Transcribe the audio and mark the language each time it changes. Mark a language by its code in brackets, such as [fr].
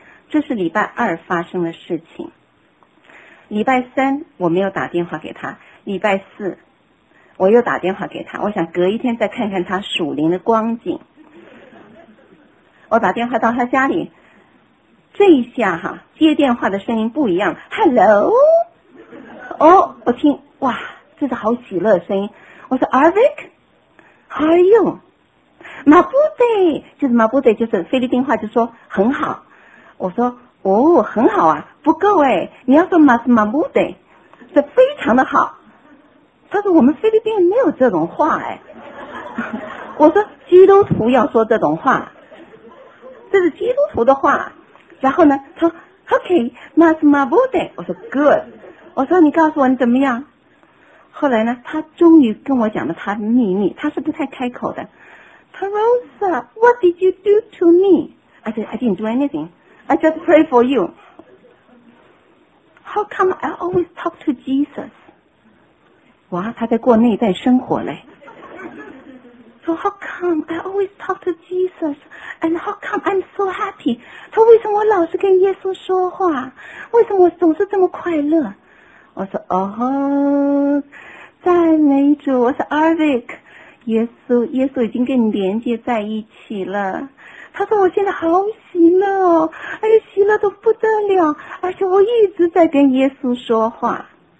[zh] 这是礼拜二发生的事情。礼拜三我没有打电话给他，礼拜四我又打电话给他，我想隔一天再看看他属灵的光景。我打电话到他家里，这一下哈，接电话的声音不一样。 Hello, 哦，我听，哇，这是好喜乐的声音。我说 [en] Arvik, how are you? [zh] Mabude, 就是 Mabude, 就是菲律宾话，就说很好。我说哦，很好啊，不够哎，你要说 Mas Mabude, 是非常的好。他说我们菲律宾没有这种话哎。我说基督徒要说这种话，这是基督徒的话。然后呢，他说 OK, Mas Mabude, 我说 Good, 我说你告诉我你怎么样。后来呢，他终于跟我讲了他的秘密，他是不太开口的。 [en] 他说 Rosa, what did you do to me? I said, I didn't do anything. I just pray for you. How come I always talk to Jesus? [zh] 哇，他在过内在生活嘞。 [en] So how come I always talk to Jesus? And how come I'm so happy? [zh] 他为什么我老是跟耶稣说话？为什么我总是这么快乐？我说哦，赞美主。我说 Arvik, 耶稣已经跟你连接在一起了。他说我现在好喜乐哦，哎呀，喜乐都不得了，而且我一直在跟耶稣说话。